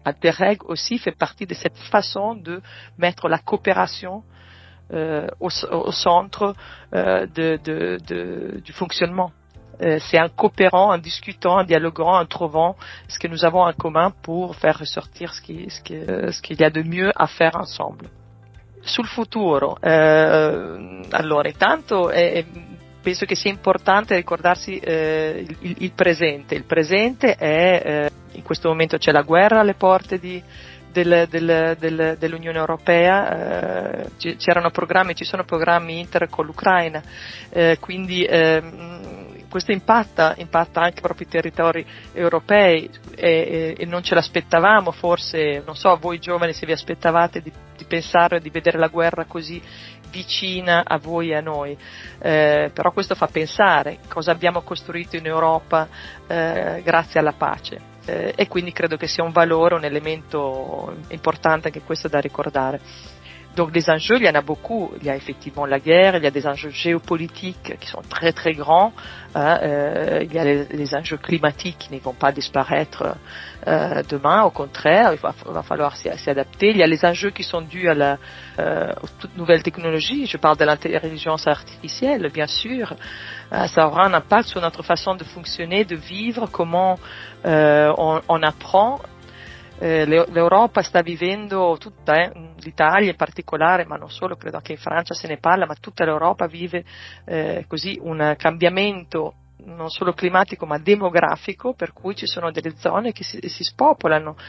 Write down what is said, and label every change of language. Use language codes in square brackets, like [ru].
[fr] Interreg aussi fait partie de cette façon de mettre la coopération au centre du fonctionnement. C'est en coopérant, en discutant, en dialoguant, en trouvant ce que nous avons en commun pour faire ressortir ce qu'il y a de mieux à faire ensemble. [it] Sul futuro, allora intanto penso che sia importante ricordarsi il presente. Il presente è, in questo momento c'è la guerra alle porte dell'Unione Europea, ci sono programmi Inter con l'Ucraina, quindi questo impatta anche i propri territori europei e non ce l'aspettavamo, forse, non so, voi giovani se vi aspettavate di pensare e di vedere la guerra così vicina a voi e a noi, però questo fa pensare cosa abbiamo costruito in Europa grazie alla pace, e quindi credo che sia un valore, un elemento importante anche questo da ricordare. [fr] Donc les enjeux, il y en a beaucoup. Il y a effectivement la guerre, il y a des enjeux géopolitiques qui sont très très grands. Hein, il y a les enjeux climatiques qui ne vont pas disparaître demain. Au contraire, il va falloir s'y adapter. Il y a les enjeux qui sont dus à aux toutes nouvelles technologies. Je parle de l'intelligence artificielle, bien sûr. Ça aura un impact sur notre façon de fonctionner, de vivre, comment on apprend. [it] L'Europa sta vivendo, tutta l'Italia in particolare, ma non solo, credo anche in Francia se ne parla, ma tutta l'Europa vive così un cambiamento non solo climatico ma demografico, per cui ci sono delle zone che si spopolano.